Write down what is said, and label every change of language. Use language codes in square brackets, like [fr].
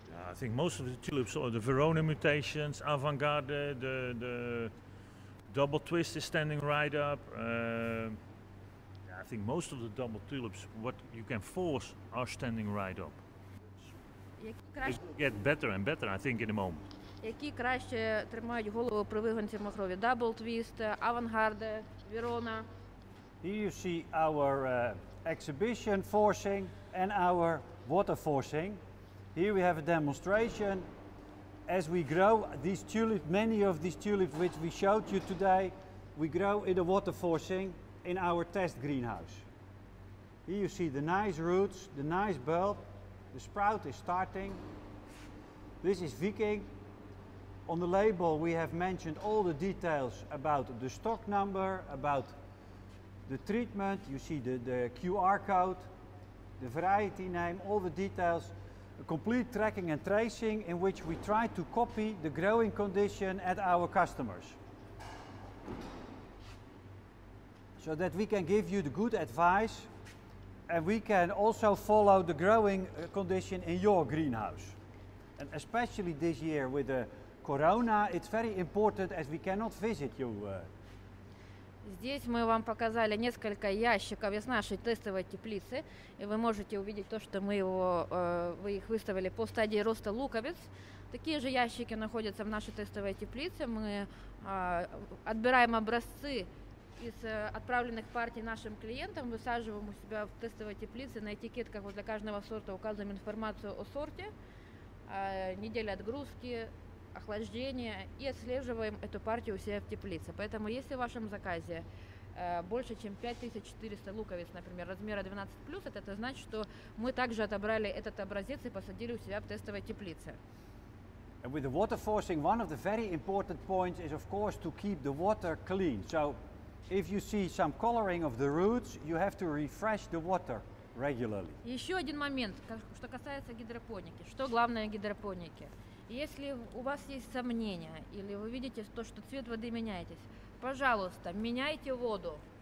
[en] I think most of the tulips are the Verona mutations, Avant-Garde, the double twist is standing right up. I think most of the double tulips, what you can force, are standing right up. It get better and better, I think, in a moment. [uk] Які краще тримають голову при вигонці махрові? [en] Double twist, Avant-Garde, Verona. Here you see our exhibition forcing and our water forcing. Here we have a demonstration. As we grow these tulips, many of these tulips which we showed you today, we grow in the water forcing in our test greenhouse. Here you see the nice roots, the nice bulb, the sprout is starting. This is Viking. On the label we have mentioned all the details about the stock number, about the treatment, you see the QR code, the variety name, all the details. A complete tracking and tracing in which we try to copy the growing condition at our customers. So that we can give you the good advice and we can also follow the growing condition in your greenhouse. And especially this year with the corona, it's very important as we cannot visit you. [ru] Здесь мы вам показали несколько ящиков из нашей тестовой теплицы, и вы можете увидеть то, что вы их выставили по стадии роста луковиц. Такие же ящики находятся в нашей тестовой теплице. Мы отбираем образцы из отправленных партий нашим клиентам, высаживаем у себя в тестовой теплице, на этикетках для каждого сорта указываем информацию о сорте, неделя отгрузки, охлаждение и отслеживаем эту партию у себя в теплице. Поэтому если в вашем заказе больше чем 5400 луковиц, например, размера 12+, это значит, что мы также отобрали этот образец и посадили у себя в тестовой теплице. [en] And with the water forcing, one of the very important points is, of course, to keep the water clean. So if you see some coloring of the roots, you have to refresh the water regularly. [ru] Еще один момент, что касается гидропоники. Что главное в гидропонике? Если у вас есть сомнения или вы видите то, что цвет воды меняетесь, пожалуйста, меняйте воду.